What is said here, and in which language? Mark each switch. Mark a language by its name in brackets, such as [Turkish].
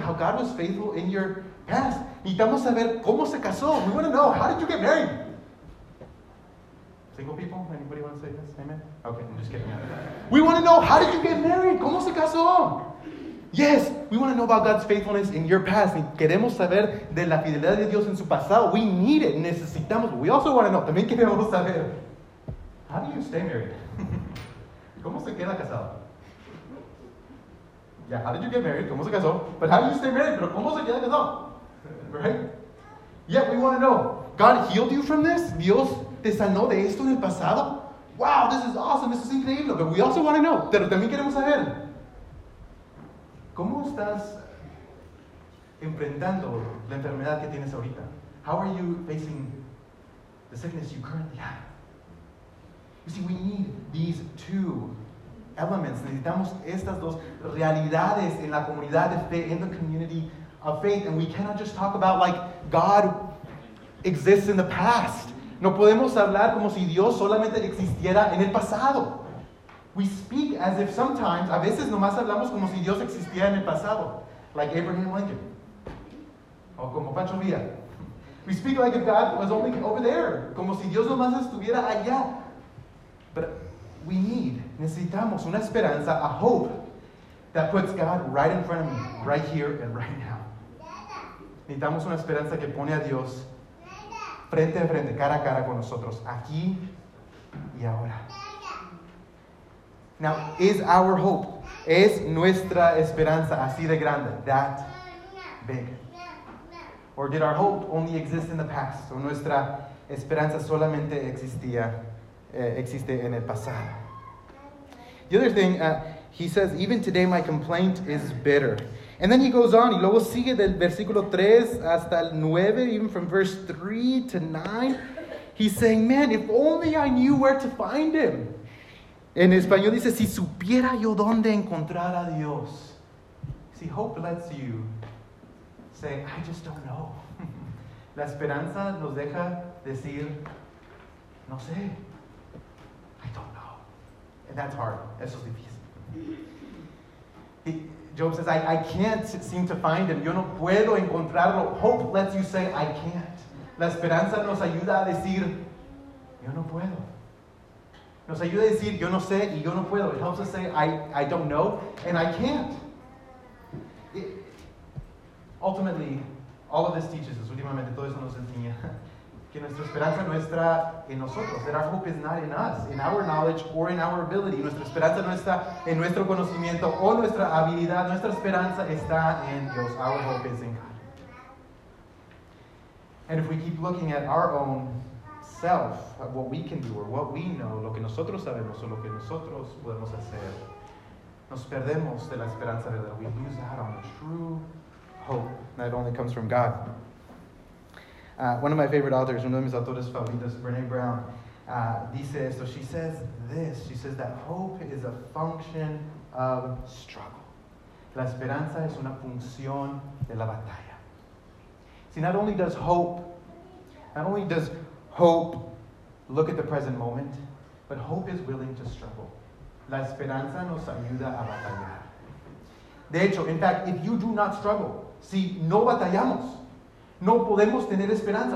[English] How God was faithful in your past. [Spanish] Necesitamos saber cómo se casó. [English] We want to know, how did you get married? Single people, anybody want to say this? Amen? Okay, I'm just kidding. We want to know, how did you get married? [Spanish] ¿Cómo se casó? [English] Yes, we want to know about God's faithfulness in your past. [Spanish] Queremos saber de la fidelidad de Dios en su pasado. [English] We need it. [Spanish] Necesitamos. [English] We also want to know. [Spanish] También queremos saber. [English] How do you stay married? [Spanish] ¿Cómo se queda casado? [English] Yeah, how did you get married? [Spanish] ¿Cómo se casó? [English] But how do you stay married? [Spanish] ¿Pero cómo se queda casado? [English] Right? Yeah, we want to know. God healed you from this? [Spanish] ¿Dios te sanó de esto en el pasado? [English] Wow, this is awesome. This is increíble. But we also want to know. [Spanish] Pero también queremos saber. ¿Cómo estás enfrentando la enfermedad que tienes ahorita? [English] How are you facing the sickness you currently have? You see, we need these two elements. [Spanish] Necesitamos estas dos realidades en la comunidad de fe, [English] in the community of faith. And we cannot just talk about like God exists in the past. [Spanish] No podemos hablar como si Dios solamente existiera en el pasado. [English] We speak as if sometimes, [Spanish] a veces nomás hablamos como si Dios existía en el pasado. [English] Like Abraham Lincoln. [Spanish] O como Pancho Villa. [English] We speak like if God was only over there. [Spanish] Como si Dios nomás estuviera allá. [English] But we need, [Spanish] necesitamos una esperanza, [English] a hope, that puts God right in front of me, right here and right now. [Spanish] Necesitamos una esperanza que pone a Dios frente a frente, cara a cara con nosotros, aquí y ahora. [English] Now, is our hope, [Spanish] es nuestra esperanza así de grande, [English] that big? Or did our hope only exist in the past? [Spanish] O nuestra esperanza solamente existía, existe en el pasado. [English] The other thing, he says, even today my complaint is bitter. And then he goes on, [Spanish] y luego sigue del versículo 3 hasta el 9, [English] even from verse 3 to 9. He's saying, man, if only I knew where to find him. [Spanish] En español dice, si supiera yo dónde encontrar a Dios. [English] See, hope lets you say, I just don't know. [Spanish] La esperanza nos deja decir, no sé. [English] I don't know. And that's hard. [Spanish] Eso es difícil. [English] Job says, I can't seem to find him. [Spanish] Yo no puedo encontrarlo. [English] Hope lets you say, I can't. [Spanish] La esperanza nos ayuda a decir, yo no puedo. Nos ayuda a decir, yo no sé y yo no puedo. [English] It helps us say, I don't know and I can't. Ultimately, all of this teaches us, [Spanish] últimamente todo eso nos enseña, que nuestra esperanza no está en nosotros. [English] That our hope is not in us, in our knowledge or in our ability. [Spanish] Nuestra esperanza no está en nuestro conocimiento o nuestra habilidad. Nuestra esperanza está en Dios. [English] Our hope is in God. And if we keep looking at our own self, what we can do or what we know, [Spanish] lo que nosotros sabemos o lo que nosotros podemos hacer, nos perdemos de la esperanza verdadera. [English] We lose out on the true hope that only comes from God. One of my favorite authors, [Spanish] uno de mis autores favoritos, Brené Brown, dice esto. [English] She says this. She says that hope is a function of struggle. [Spanish] La esperanza es una función de la batalla. [English] See, not only does hope look at the present moment, but hope is willing to struggle. [Spanish] La esperanza nos ayuda a batallar. De hecho, [English] in fact, if you do not struggle, [Spanish] si no batallamos, no podemos tener esperanza.